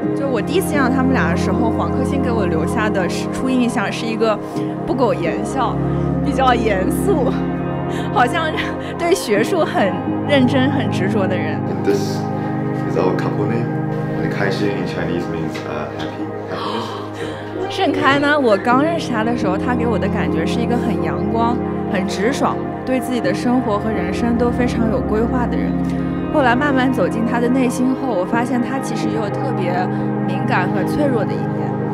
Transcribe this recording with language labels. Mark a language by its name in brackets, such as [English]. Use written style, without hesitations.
[Chinese] 我第一次见到他们俩的时候，黄克星给我留下的初印象是一个不苟言笑、比较严肃，好像对学术很认真、很执着的人。 [English] And this is our couple name. And 开心 in Chinese means happiness. [Chinese] 盛开呢？我刚认识他的时候，他给我的感觉是一个很阳光、很直爽，对自己的生活和人生都非常有规划的人。后来慢慢走进他的内心后，我发现他其实也有特别敏感和脆弱的一面。